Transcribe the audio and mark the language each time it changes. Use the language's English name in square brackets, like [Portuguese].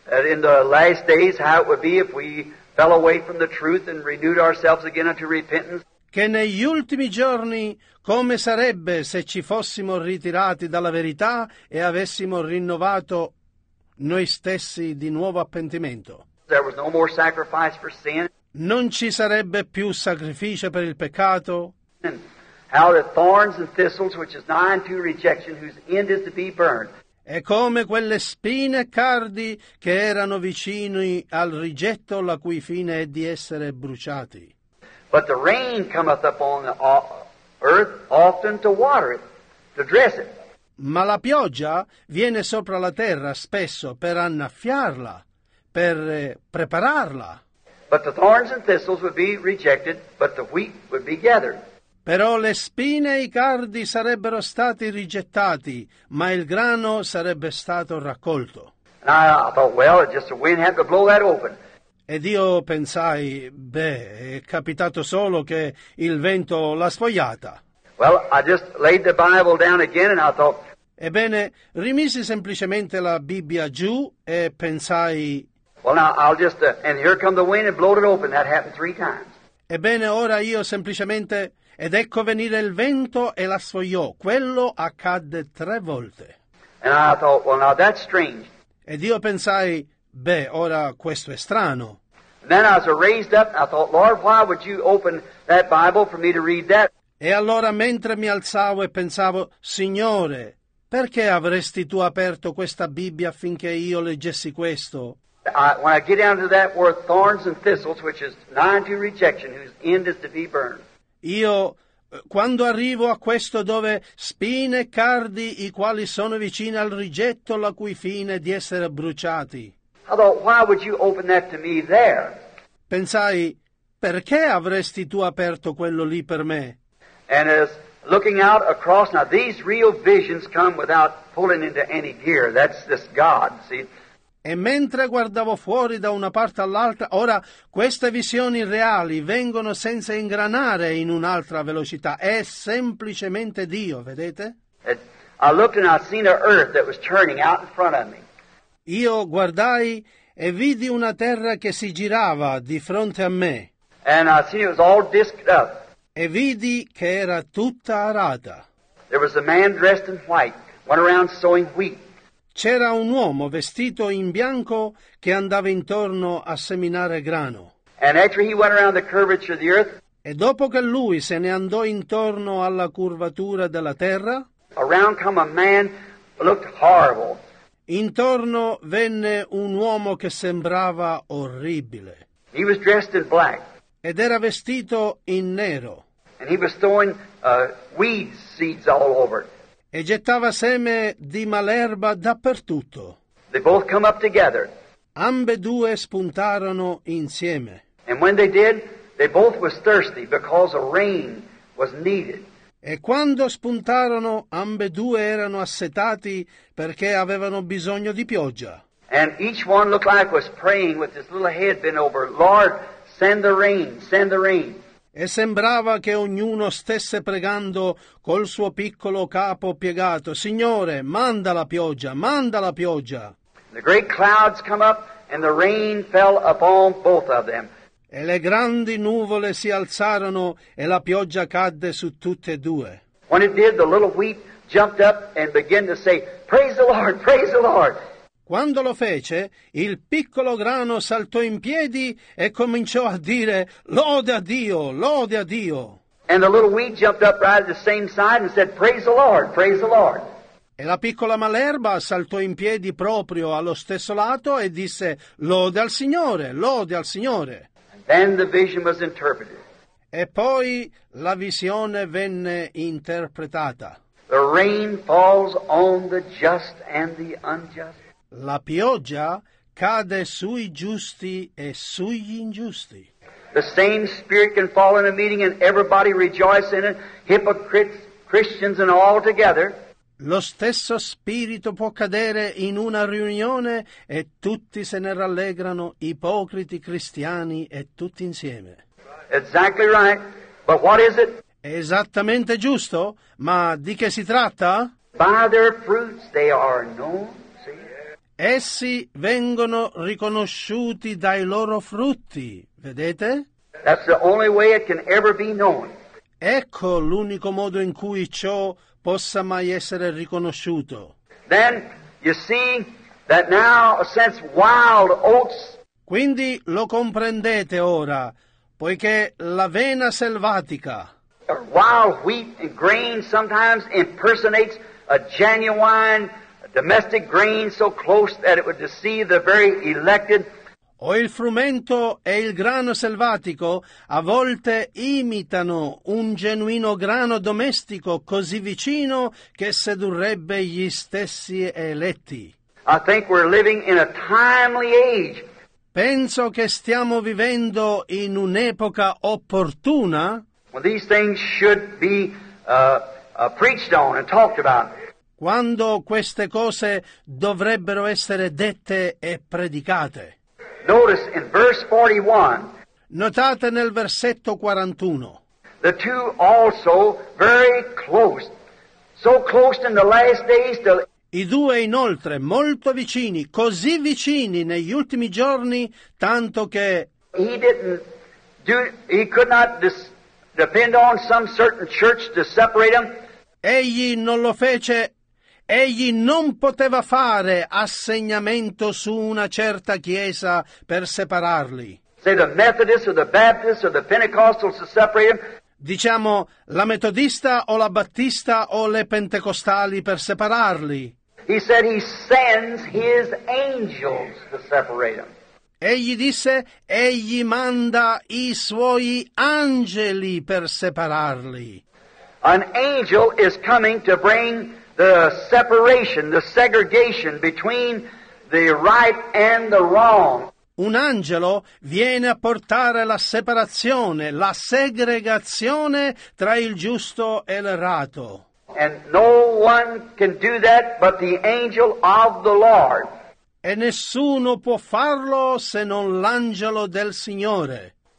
[English] In the last days, how it would be if we fell away from the truth and renewed ourselves again unto repentance. [Italian] Che negli ultimi giorni come sarebbe se ci fossimo ritirati dalla verità e avessimo rinnovato noi stessi di nuovo appentimento. [English] There was no more sacrifice for sin. [Italian] Non ci sarebbe più sacrificio per il peccato. [English] And how the thorns and thistles, which is nigh unto rejection, whose end is to be burned. [Italian] E come quelle spine e cardi che erano vicini al rigetto, la cui fine è di essere bruciati. [English] But the rain cometh upon the earth often to water it, to dress it. [Italian] Ma la pioggia viene sopra la terra spesso per annaffiarla, per prepararla. [English] But the thorns and thistles would be rejected, but the wheat would be gathered. [Italian] Però le spine e i cardi sarebbero stati rigettati, ma il grano sarebbe stato raccolto. [English] And I thought, well, just the wind had to blow that open. [Italian] Ed io pensai, beh, è capitato solo che il vento l'ha sfogliata. [English] Well, I just laid the Bible down again and I thought. [Italian] Ebbene, rimisi semplicemente la Bibbia giù e pensai. [English] Well, now I'll just, and here come the wind and blow it open. That happened 3 times. [Italian] Ebbene, ora io semplicemente, ed ecco venire il vento e la sfogliò. Quello accadde tre volte. [English] And I thought, well, now that's strange. [Italian] Ed io pensai, beh, ora questo è strano. [English] Then I was raised up and I thought, Lord, why would you open that Bible for me to read that? [Italian] E allora mentre mi alzavo e pensavo, Signore, perché avresti tu aperto questa Bibbia affinché io leggessi questo? [English] When I get down to that word thorns and thistles, which is nigh to rejection, whose end is to be burned. [Italian] Io, quando arrivo a questo dove spine e cardi, i quali sono vicini al rigetto, la cui fine è di essere bruciati. [English] I thought, why would you open that to me there? [Italian] Pensai, perché avresti tu aperto quello lì per me? [English] And as looking out across, now these real visions come without pulling into any gear. That's this God, see? [Italian] E mentre guardavo fuori da una parte all'altra, ora queste visioni reali vengono senza ingranare in un'altra velocità. È semplicemente Dio, vedete? [English] I looked and I seen an earth that was turning out in front of me. [Italian] Io guardai e vidi una terra che si girava di fronte a me. [English] And I seen it was all disked up. [Italian] E vidi che era tutta arata. [English] There was a man dressed in white, went around sowing wheat. [Italian] C'era un uomo vestito in bianco che andava intorno a seminare grano. [English] And after he went around the curvature of the earth, [Italian] e dopo che lui se ne andò intorno alla curvatura della terra, [English] around come a man looked horrible. [Italian] Intorno venne un uomo che sembrava orribile. [English] He was dressed in black. [Italian] Ed era vestito in nero. [English] And he was throwing weed seeds all over it. [Italian] E gettava seme di malerba dappertutto. [English] They both come up together. [Italian] Ambe due spuntarono insieme. [English] And when they did, they both was thirsty because a rain was needed. [Italian] E quando spuntarono, ambe due erano assetati perché avevano bisogno di pioggia. [English] And each one looked like was praying with his little head bent over, Lord, send the rain, send the rain. [Italian] E sembrava che ognuno stesse pregando col suo piccolo capo piegato, Signore, manda la pioggia, manda la pioggia. [English] The great clouds come up and the rain fell upon both of them. [Italian] E le grandi nuvole si alzarono e la pioggia cadde su tutte e due. [English] When it did, the little wheat jumped up and began to say, Praise the Lord, praise the Lord. [Italian] Quando lo fece, il piccolo grano saltò in piedi e cominciò a dire, Lode a Dio, lode a Dio. [English] And the little wheat jumped up right at the same side and said, Praise the Lord, praise the Lord. [Italian] E la piccola malerba saltò in piedi proprio allo stesso lato e disse, Lode al Signore, lode al Signore. [English] And then the vision was interpreted. [Italian] E poi la visione venne interpretata. [English] The rain falls on the just and the unjust. [Italian] La pioggia cade sui giusti e sugli ingiusti. [English] The same spirit can fall in a meeting and everybody rejoice in it, hypocrites, Christians and all together. [Italian] Lo stesso spirito può cadere in una riunione e tutti se ne rallegrano, ipocriti, cristiani e tutti insieme. [English] Exactly right. But what is it? [Italian] Esattamente giusto, ma di che si tratta? [English] By their fruits they are known. [Italian] Essi vengono riconosciuti dai loro frutti, vedete? [English] That's the only way it can ever be known. [Italian] Ecco l'unico modo in cui ciò possa mai essere riconosciuto. [English] Then you see that now, since wild oats. [Italian] Quindi lo comprendete ora, poiché l'avena selvatica. [English] Wild wheat and grain sometimes impersonates a genuine domestic grain so close that it would deceive the very elected. [Italian] O il frumento e il grano selvatico a volte imitano un genuino grano domestico così vicino che sedurrebbe gli stessi eletti. [English] I think we're living in a timely age. [Italian] Penso che stiamo vivendo in un'epoca opportuna. [English] Well, these things should be preached on and talked about. [Italian] Quando queste cose dovrebbero essere dette e predicate. [English] Notice in verse 41. [Italian] Notate nel versetto 41. [English] The two also very close. So close in the last days. [Italian] I due inoltre molto vicini, così vicini negli ultimi giorni, tanto che. [English] He didn't he could not depend on some certain church to separate them. [Italian] Egli non lo fece. Egli non poteva fare assegnamento su una certa chiesa per separarli. [English] Say the Methodist or the Baptist or the Pentecostals to separate them. [Italian] Diciamo la metodista o la battista o le pentecostali per separarli. [English] He said he sends his angels to separate them. [Italian] Egli disse, egli manda i suoi angeli per separarli. [English] An angel is coming to bring the separation, the segregation between the right and the wrong. [Italian] Un angelo viene a portare la separazione, la segregazione tra il giusto e l'errato. [English] And no one can do that but the angel of the Lord. [Italian] E nessuno può farlo se non l'angelo del Signore.